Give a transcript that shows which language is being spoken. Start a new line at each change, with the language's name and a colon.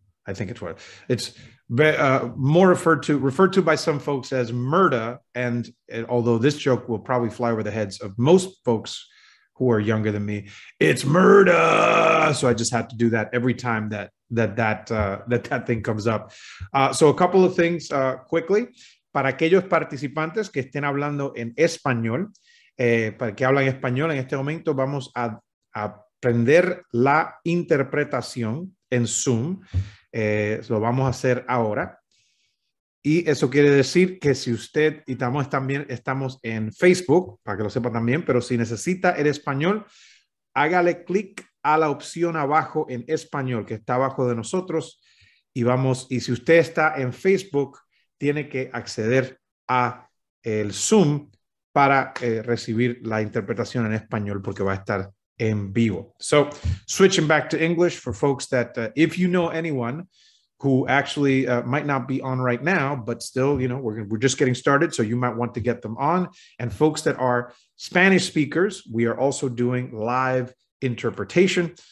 English: I think it's what it's referred to by some folks as MRTA, and although this joke will probably fly over the heads of most folks who are younger than me, it's MRTA. So I just have to do that every time that thing comes up. So a couple of things quickly.
Spanish: Para aquellos participantes que estén hablando en español, para que hablan español en este momento, vamos a aprender la interpretación en Zoom. Lo vamos a hacer ahora. Y eso quiere decir que si usted, y también estamos en Facebook, para que lo sepa también, pero si necesita el español, hágale clic a la opción abajo en español que está abajo de nosotros. Y si usted está en Facebook, tiene que acceder a el Zoom para recibir la interpretación en español porque va a estar en vivo.
English: So, switching back to English for folks that, if you know anyone who actually might not be on right now, but still, you know, we're just getting started, so you might want to get them on. And folks that are Spanish speakers, we are also doing live interpretation.